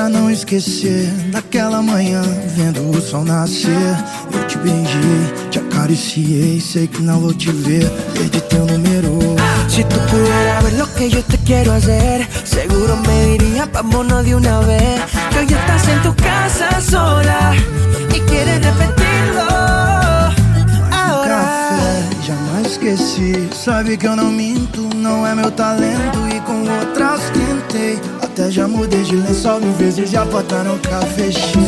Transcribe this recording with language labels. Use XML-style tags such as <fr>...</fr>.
<pt>esquecer daquela manhã, vendo o sol nascer. Eu te beijei, te acariciei, sei que não vou te ver, perdi teu número.</pt> <es>Si tú pudieras ver lo que yo te quiero hacer, seguro me dirías vámonos de una vez. Que hoy estás en tu casa sola y quieres repetirlo. Ahora</es> <pt>café, jamás esqueci. Sabe que eu não minto, não é meu talento. E com outras tentei, até já mudei de lençol mil vezes, já botaram café cheio.</pt>